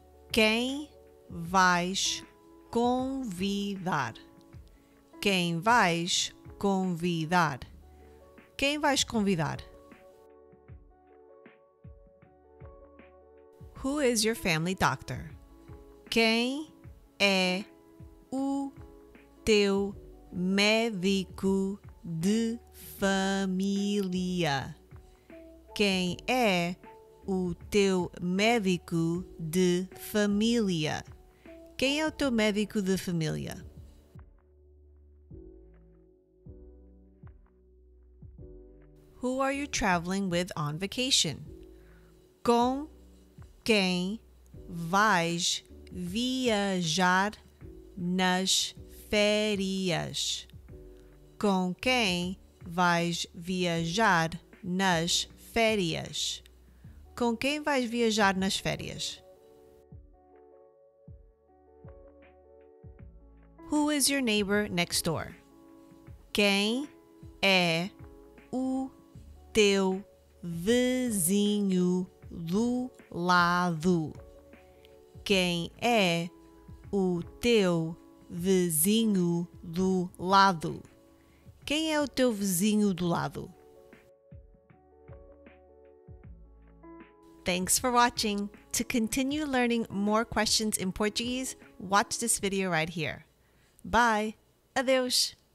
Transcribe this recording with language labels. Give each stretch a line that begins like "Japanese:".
Portuguese: Quem vais convidar? Quem vais convidar? Quem vais convidar?
English: Who is your family doctor?
Portuguese: Quem é o teu médico de família? Quem é o teu médico de família? Quem é o teu médico de família?
English: Who are you traveling with on vacation?
Portuguese: Com quem vais viajar nas férias? Com quem vais viajar nas férias? Com quem vais viajar nas férias?
English: Who is your neighbor next door?
Portuguese: Quem é o teu vizinho do lado? Quem é o teu vizinho do lado? Quem é o teu vizinho do lado?
English: Thanks for watching. To continue learning more questions in Portuguese, watch this video right here. Bye.
Portuguese: Adeus.